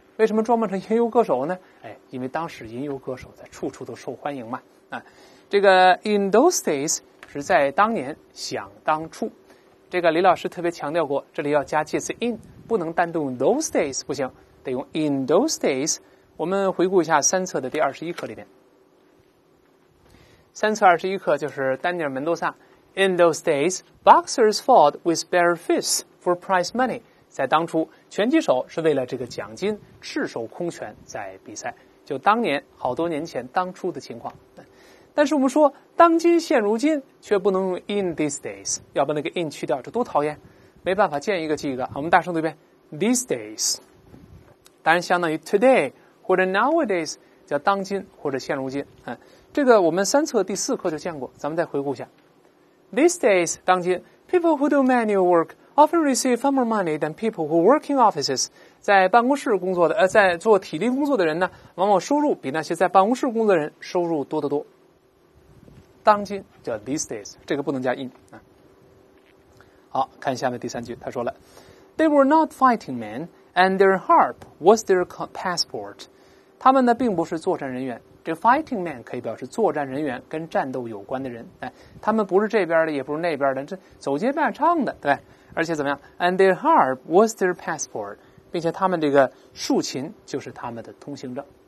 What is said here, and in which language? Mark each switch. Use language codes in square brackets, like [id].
[zh] 为什么装扮成吟游歌手呢？哎，因为当时吟游歌手在处处都受欢迎嘛。啊，这个 [en] in those days [zh] 是在当年，想当初。这个李老师特别强调过，这里要加介词 in， 不能单独用 those days， 不行，得用 [en] in those days。 [zh] 我们回顾一下三册的第21课里面。三册21课就是丹尼尔·门多萨 [en] In those days, boxers fought with bare fists for prize money. [zh] 在当初，拳击手是为了这个奖金赤手空拳在比赛。就当年，好多年前当初的情况。但是我们说，当今现如今却不能用 [en] in these days， [zh] 要把那个 in 去掉，这多讨厌。没办法，见一个记一个。我们大声读一遍 [en] these days， [zh] 当然相当于 today 或者 nowadays， 叫当今或者现如今。这个我们三册第四课就见过，咱们再回顾一下。 [en] These days， [zh] 当今 [en] ，people who do manual work often receive more money than people who work in offices。 [zh] 在办公室工作的，在做体力工作的人呢，往往收入比那些在办公室工作的人收入多得多。当今叫 [en] these days， [zh] 这个不能加 in 啊。好，看下面第三句，他说了 [en] ，They were not fighting men， and their harp was their passport。 [zh] 他们呢，并不是作战人员。这 [en] fighting man [zh] 可以表示作战人员，跟战斗有关的人。哎，他们不是这边的，也不是那边的，这走街边唱的，对。而且怎么样 ？ [en] And their harp was their passport， [zh] 并且他们这个竖琴就是他们的通行证。